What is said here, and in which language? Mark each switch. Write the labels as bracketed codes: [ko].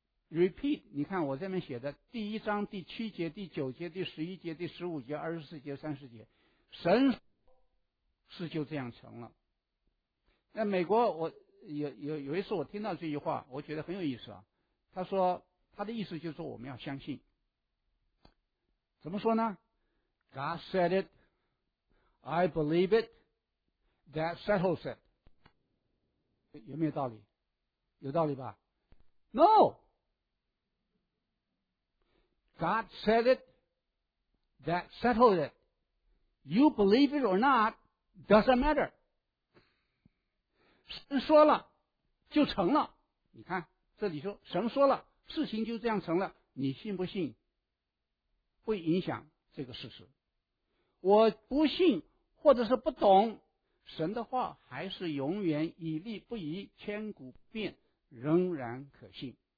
[en] repeat， [zh] 你看我这边写的第一章第七节第九节第十一节第十五节二十四节三十节，神事就这样成了。那美国我 有一次我听到这句话，我觉得很有意思啊。他说他的意思就是说我们要相信，怎么说呢？ [en] God said it, I believe it, that settles it。 [zh] 有没有道理？有道理吧？ [en] No, God said it, that settles it, you believe it or not doesn't matter。 [zh] 神说了就成了，你看这里说神说了事情就这样成了，你信不信不影响这个事实。我不信或者是不懂，神的话还是永远以立不移，千古不变，仍然可信。